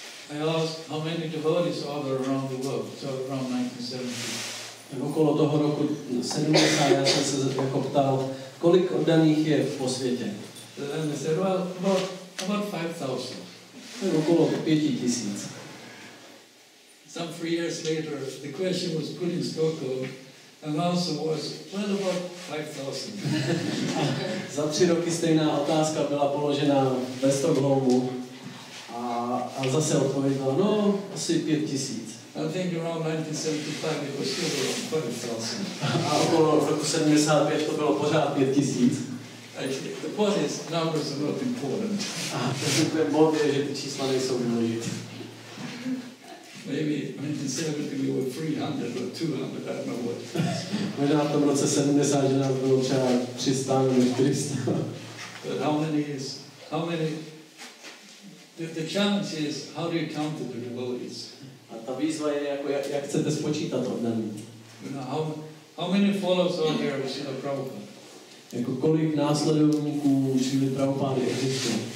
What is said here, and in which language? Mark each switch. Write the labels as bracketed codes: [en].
[en] I asked how many devotees are there around the world, so around 1970. [cs] Tak okolo toho roku 70 já jsem se jako ptal, kolik oddaných je po světě. [en] And they said, well, about 5,000. [cs] Tak okolo 5,000. [en] Some 3 years later, the question was put in Stockholm, and the answer was, well, about 5,000. [cs] Za 3 roky stejná otázka byla položena ve Stockholmu. A zase odpověděl, no, asi 5,000. [en] I think around 1975 it was still around 5,000. [cs] A okolo roku 75 to bylo pořád 5,000. [en] Actually, the point is, numbers are not important. [cs] A takže bod je, že ty čísla nejsou důležité. [en] Maybe 1970 we were 300 or 200, I don't know what. [cs] Možná v tom roce 70, že nám bylo třeba 300 nebo 400. [en] But how many The challenge is how do you count the devotees? [cs] A ta výzva je jako jak chcete spočítat oddaní. [en] You know, how many followers are there of Srila Prabhupada? [cs] Jako kolik následovníků Srila Prabhupada existuje?